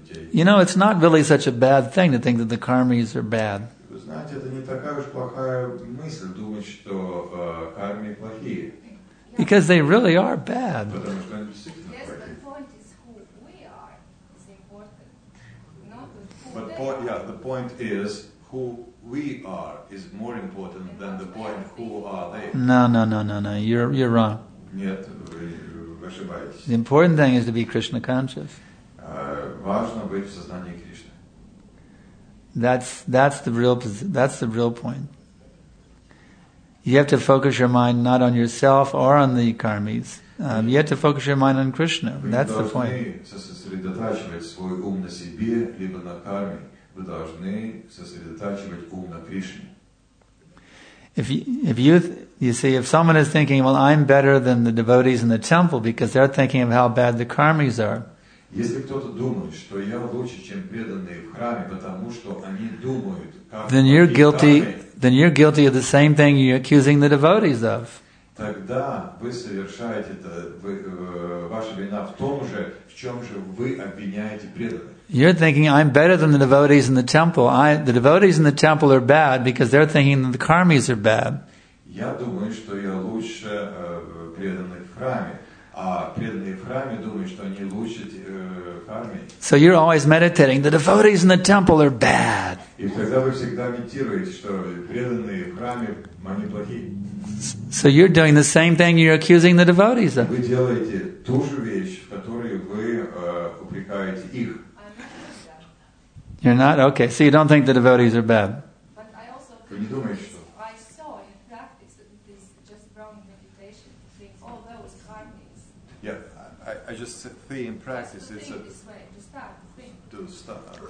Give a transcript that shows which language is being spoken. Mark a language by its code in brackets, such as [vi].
[en] You know, it's not really such a bad thing to think that the karmis are bad. [ru] Знаете, это не такая уж плохая мысль думать, что карми плохие. [en] Because they really are bad. [ru] Потому что они действительно плохие. [en] Yes, but the point is who we are is important. Not the point is, who we are is more important than the point who are they. No. You're wrong. [ru] Нет, вы ошибаетесь. [en] The important thing is to be Krishna conscious. [ru] Важно быть в сознании Кришны. [en] That's the real point. You have to focus your mind not on yourself or on the karmis. You have to focus your mind on Krishna. That's the point. [ru] Вы должны сосредотачивать свой ум на себе либо на карме. Вы должны сосредотачивать ум на Кришне. [en] If someone is thinking, well, I'm better than the devotees in the temple because they're thinking of how bad the karmis are. [ru] Если кто-то думает, что я лучше, чем преданные в храме, потому что они думают, как [en] then you're guilty. [ru] Храме, [en] then you're guilty of the same thing you're accusing the devotees of. [ru] Тогда вы совершаете это, ваша вина в том же, в чем же вы обвиняете преданных. [en] You're thinking I'm better than the devotees in the temple. The devotees in the temple are bad because they're thinking that the karmis are bad. [ru] Я думаю, что я лучше преданных в храме. А преданные в храме думают, что они лучше карми. [en] So you're always meditating. The devotees in the temple are bad. [ru] И тогда вы всегда медитируете, что преданные в храме, они плохие. [en] So you're doing the same thing you're accusing the devotees of. [ru] Вы делаете ту же вещь, в которой вы упрекаете их. [en] You're not? Okay, so you don't think the devotees are bad. But I also think I saw in practice that this just wrong meditation thing, all those karmis. Yeah, I just see in practice just it's this way, to start,